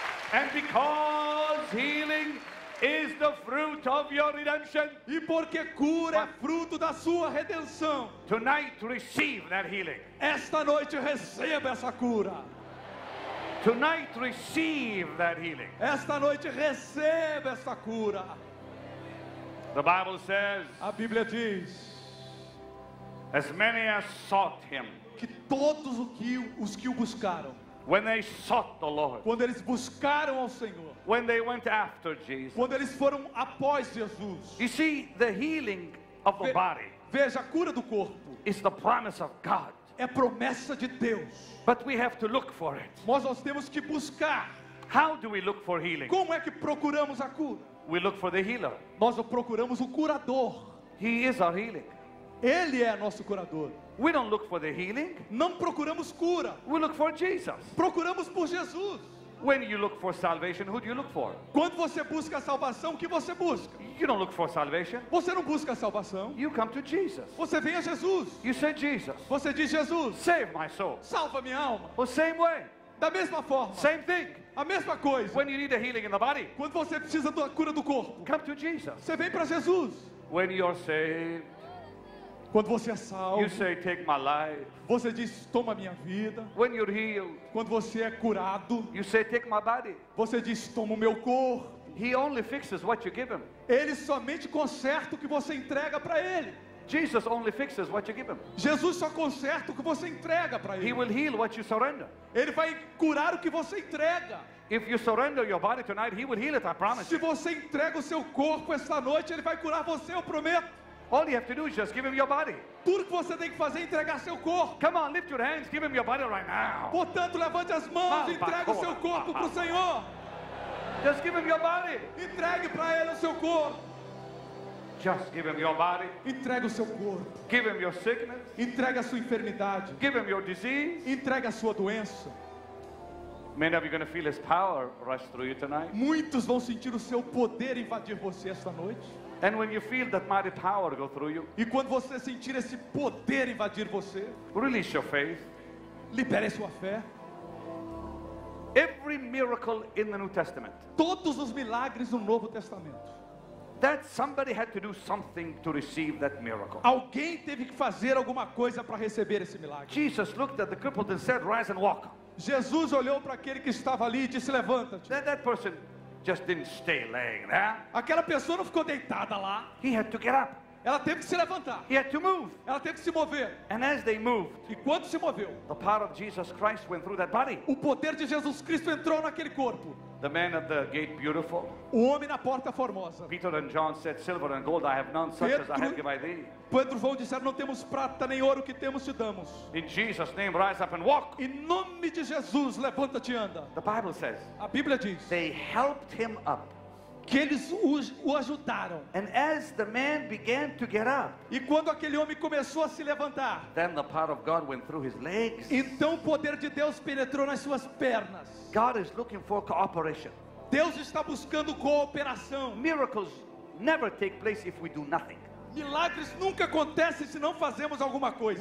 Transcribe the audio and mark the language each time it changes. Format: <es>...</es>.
<en>And because healing is the fruit of your redemption.</en> <pt>E porque cura é fruto da sua redenção.</pt> <en>Tonight receive that healing.</en> <pt>Esta noite receba essa cura.</pt> <en>Tonight receive that healing.</en> <pt>Esta noite receba essa cura.</pt> <en>The Bible says.</en> <pt>A Bíblia diz.</pt> <en>As many as sought him.</en> <pt>Que todos os que o buscaram.</pt> <en>When they sought the Lord.</en> <pt>Quando eles buscaram ao Senhor.</pt> <en>When they went after Jesus.</en> <pt>Quando eles foram após Jesus.</pt> <en>You see the healing of the body.</en> <pt>Veja a cura do corpo.</pt> <en>Is the promise of God.</en> <pt>É promessa de Deus.</pt> <en>But we have to look for it.</en> <pt>Mas nós temos que buscar.</pt> <en>How do we look for healing?</en> <pt>Como é que procuramos a cura?</pt> <en>We look for the healer.</en> <pt>Nós procuramos o curador.</pt> <en>He is our healing.</en> <pt>Ele é nosso curador.</pt> <en>We don't look for the healing.</en> <pt>Não procuramos cura.</pt> <en>We look for Jesus.</en> <pt>Procuramos por Jesus.</pt> <en>When you look for salvation, who do you look for?</en> <pt>Quando você busca a salvação, o que você busca?</pt> <en>You don't look for salvation.</en> <pt>Você não busca a salvação.</pt> <en>You come to Jesus.</en> <pt>Você vem a Jesus.</pt> <en>You say Jesus.</en> <pt>Você diz Jesus.</pt> <en>Save my soul.</en> <pt>Salva minha alma.</pt> <en>The same way.</en> <pt>Da mesma forma.</pt> <en>Same thing.</en> <pt>A mesma coisa.</pt> <en>When you need a healing in the body.</en> <pt>Quando você precisa da cura do corpo.</pt> <en>Come to Jesus.</en> <pt>Você vem para Jesus.</pt> <en>When you're saved.</en> <pt>Quando você é salvo,</pt> <en>you say, take my life.</en> <pt>Você diz, toma minha vida.</pt> <en>When you're healed,</en> <pt>quando você é curado,</pt> <en>you say, take my body.</en> <pt>Você diz, toma o meu corpo.</pt> <en>He only fixes what you give him.</en> <pt>Ele somente conserta o que você entrega para ele.</pt> <en>Jesus only fixes what you give him.</en> <pt>Jesus só conserta o que você entrega para ele.</pt> <en>He will heal what you surrender.</en> <pt>Ele vai curar o que você entrega.</pt> <en>If you surrender your body tonight, he will heal it, I promise.</en> <pt>Se você entrega o seu corpo esta noite, ele vai curar você, eu prometo.</pt> <en>All you have to do is just give him your body.</en> <pt>Tudo que você tem que fazer é entregar seu corpo.</pt> <en>Come on, lift your hands, give him your body right now.</en> <pt>Portanto, levante as mãos e entregue o seu corpo para o Senhor.</pt> <en>Just give him your body.</en> <pt>Entregue para ele o seu corpo.</pt> <en>Just give him your body.</en> <pt>Entregue o seu corpo.</pt> <en>Give him your sickness.</en> <pt>Entregue a sua enfermidade.</pt> <en>Give him your disease.</en> <pt>Entregue a sua doença.</pt> <en>Many of you are going to feel his power rush through you tonight.</en> <pt>Muitos vão sentir o seu poder invadir você esta noite.</pt> <en>And when you feel that mighty power go through you,</en> <pt>e quando você sentir esse poder invadir você,</pt> <en>release your faith.</en> <pt>Libere sua fé.</pt> <en>Every miracle in the New Testament.</en> <pt>Todos os milagres do Novo Testamento.</pt> <en>That somebody had to do something to receive that miracle.</en> <pt>Alguém teve que fazer alguma coisa para receber esse milagre.</pt> <en>Jesus looked at the crippled and said, "Rise and walk."</en> <pt>Jesus olhou para aquele que estava ali e disse, "Levanta-te."</pt> <en>That person just didn't stay laying there.</en> <pt>Aquela pessoa não ficou deitada lá.</pt> <en>He had to get up.</en> <pt>Ela teve que se levantar.</pt> <en>He had to move.</en> <pt>Ela teve que se mover.</pt> <en>And as they moved,</en> <pt>e quando se moveu,</pt> <en>the power of Jesus Christ went through that body.</en> <pt>O poder de Jesus Cristo entrou naquele corpo.</pt> <en>The man at the gate beautiful.</en> <pt>O homem na porta formosa.</pt> <en>Peter and John said, "Silver and gold I have none, such as I have given by thee."</en> <pt>Pedro e João disseram, "Não temos prata nem ouro, que temos te damos."</pt> <en>In Jesus' name, rise up and walk.</en> <pt>Em nome de Jesus, levanta-te e anda.</pt> <en>The Bible says.</en> <pt>A Bíblia diz.</pt> <en>They helped him up.</en> <pt>Que eles o ajudaram.</pt> <en>And as the man began to get up,</en> <pt>e quando aquele homem começou a se levantar,</pt> <en>then the power of God went through his legs.</en> <pt>Então o poder de Deus penetrou nas suas pernas.</pt> <en>God is looking for cooperation.</en> <pt>Deus está buscando cooperação.</pt> <en>Miracles never take place if we do nothing.</en> <pt>Milagres nunca acontecem se não fazemos alguma coisa.</pt>